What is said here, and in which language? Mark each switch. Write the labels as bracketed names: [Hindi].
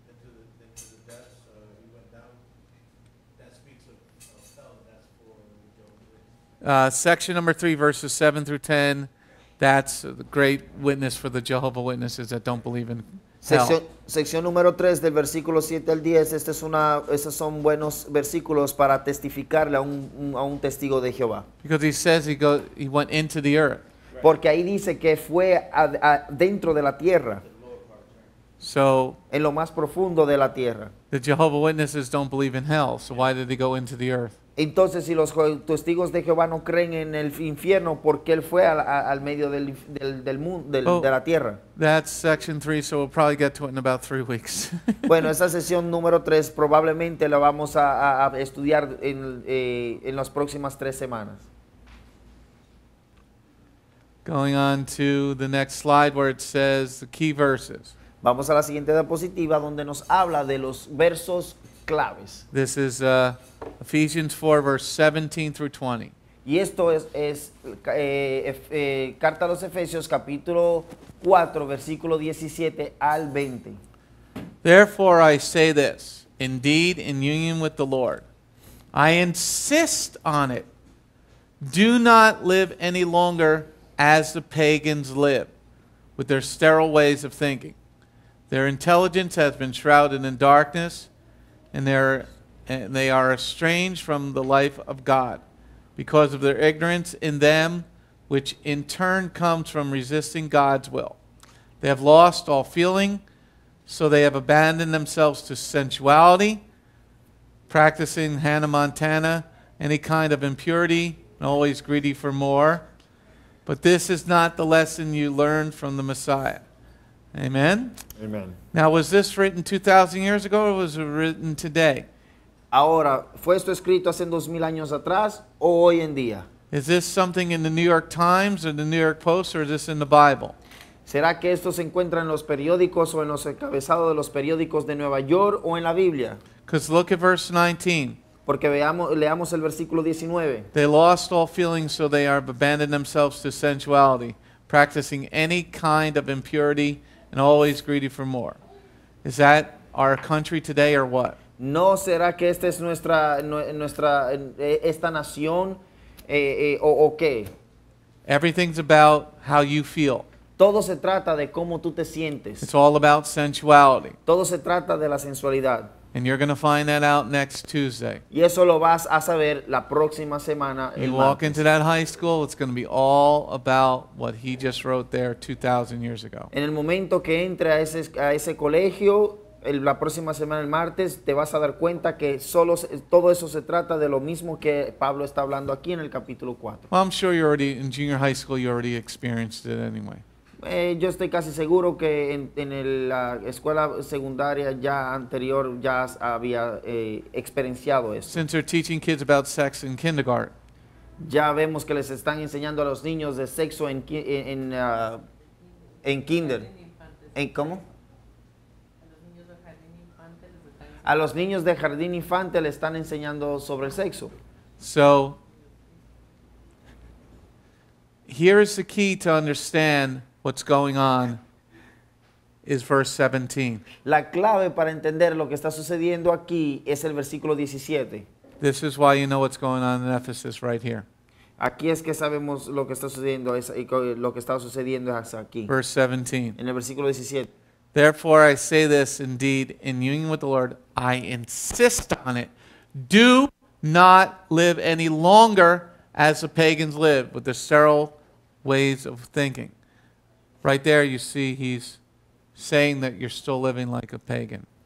[English] Section number 3, verses 7 through 10, that's the great witness for the Jehovah Witnesses that don't believe in hell. [Spanish] Sección número 3, del versículo 7 al 10, estos son buenos versículos para testificarle a un testigo de Jehová. [English] Because he says he went into the earth. [Spanish] Porque ahí dice que fue dentro de la tierra. [English] So, [Spanish] en lo más profundo de la tierra. [English] The Jehovah Witnesses don't believe in hell, so why did he go into the earth? [Spanish] Entonces, si los testigos de Jehová no creen en el infierno, ¿por qué él fue al medio del mundo, de la tierra? [English] That's section 3, so we'll probably get to it in about 3 weeks. [Spanish] Bueno, esa sesión número 3 probablemente la vamos a estudiar en las próximas 3 semanas. [English] Going on to the next slide where it says the key verses. [Spanish] Vamos a la siguiente diapositiva donde nos habla de los versos claves. [English] This is Ephesians 4, verse 17 through 20. [Spanish] Y esto es Carta a los Efesios, capítulo 4, versículo 17 al 20. [English] Therefore I say this, indeed in union with the Lord, I insist on it, do not live any longer as the pagans live, with their sterile ways of thinking. Their intelligence has been shrouded in darkness, and they are estranged from the life of God because of their ignorance in them, which in turn comes from resisting God's will. They have lost all feeling, so they have abandoned themselves to sensuality, practicing Hannah Montana, any kind of impurity, and always greedy for more. But this is not the lesson you learned from the Messiah. Amen. Amen. Now, was this written 2,000 years ago, or was it written today? [Spanish] Ahora, ¿fue esto escrito hace 2,000 años atrás o hoy en día? [English] Is this something in the New York Times or the New York Post, or is this in the Bible? [Spanish] ¿Será que esto se encuentra en los periódicos o en los encabezados de los periódicos de Nueva York o en la Biblia? [English] Because look at verse 19. [Spanish] Porque leamos el versículo 19. [English] They lost all feelings, so they have abandoned themselves to sensuality, practicing any kind of impurity and always greedy for more. Is that our country today or what? [Spanish] No será que esta es nuestra esta nación o qué? [English] Everything's about how you feel. [Spanish] Todo se trata de cómo tú te sientes. [English] It's all about sensuality. [Spanish] Todo se trata de la sensualidad. [English] And you're going to find that out next Tuesday. [Spanish] Y eso lo vas a saber la próxima semana. [English] You walk into that high school, it's going to be all about what he just wrote there 2,000 years ago. [Spanish] En el momento que entre a ese colegio, la próxima semana, el martes, te vas a dar cuenta que todo eso se trata de lo mismo que Pablo está hablando aquí en el capítulo 4. [English] Well, I'm sure you already, in junior high school, you already experienced it anyway. [Spanish] Yo estoy casi seguro que en la escuela secundaria ya anterior ya había experienciado esto. [English] Since they're teaching kids about sex in kindergarten. [Spanish] Ya vemos que les están enseñando a los niños de sexo en kinder. ¿En cómo? A los niños de jardín infante les están enseñando sobre el sexo. [English] So, here is the key to understand what's going on is verse 17. [Spanish] La clave para entender lo que está sucediendo aquí es el versículo 17. [English] This is why you know what's going on in Ephesus right here. [Spanish] Aquí es que sabemos lo que está sucediendo hasta aquí. [English] Verse 17. [Spanish] En el versículo 17. [English] Therefore I say this indeed in union with the Lord, I insist on it. Do not live any longer as the pagans live with their sterile ways of thinking. Right there you see he's saying that you're still living like a pagan.